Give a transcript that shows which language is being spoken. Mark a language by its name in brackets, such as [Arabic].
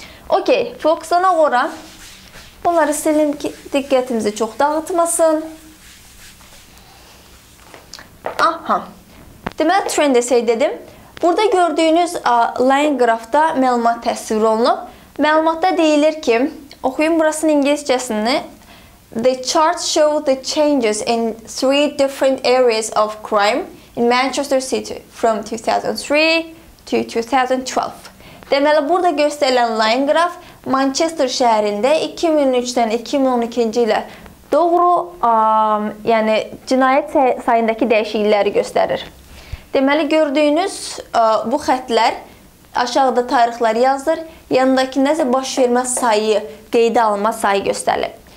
[Azerbaijani] Okey, fokuslanaq ora. Bunları silim ki, diqqətimizi çox dağıtmasın. Aha, deməli trend essay dedim. Burada gördüyünüz line graph-da məlumat təsvir olunub. Məlumatda deyilir ki, oxuyun burasının ingiliscəsini. [English] The chart shows the changes in three different areas of crime in Manchester City from 2003 to 2012. [Azerbaijani] Deməli, burada göstərilən line graph Manchester şəhərində 2003-dən 2012-ci ilə doğru yəni cinayət sayındakı dəyişiklikləri göstərir. Deməli, gördüyünüz bu xətlər aşağıda tarixlər yazır, yanındakı nəsə baş vermə sayı, qeydə alma sayı göstərilir.